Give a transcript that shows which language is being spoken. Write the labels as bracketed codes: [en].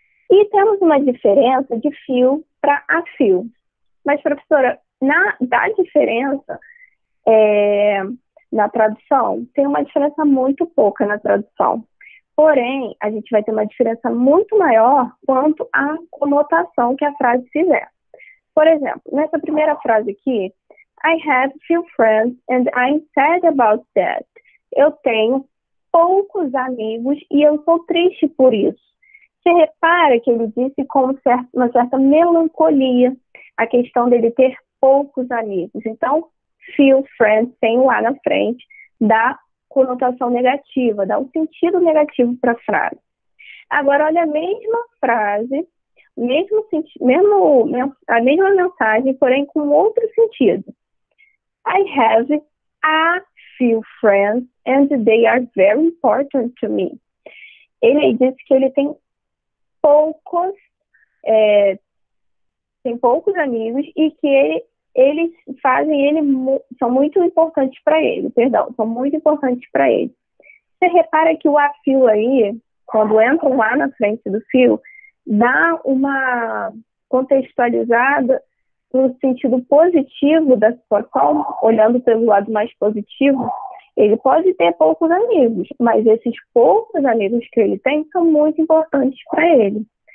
[pt] E temos uma diferença de few para a few. Mas, professora, da diferença na tradução, tem uma diferença muito pouca na tradução. Porém, a gente vai ter uma diferença muito maior quanto à conotação que a frase fizer. Por exemplo, nessa primeira frase aqui, [en] I have few friends and I'm sad about that. [pt] Eu tenho poucos amigos e eu sou triste por isso. Você repara que ele disse com uma certa melancolia a questão dele ter poucos amigos. Então, few friends tem lá na frente da conotação negativa, dá um sentido negativo para a frase. Agora, olha a mesma frase, mesmo senti mesmo, a mesma mensagem, porém com outro sentido. [en] I have a few friends and they are very important to me. [pt] Ele disse que ele tem poucos amigos e que eles fazem ele são muito importantes para ele, perdão, são muito importantes para ele. Você repara que o a few aí, quando entra lá na frente do few, dá uma contextualizada no sentido positivo da situação, olhando pelo lado mais positivo, ele pode ter poucos amigos, mas esses poucos amigos que ele tem são muito importantes para ele.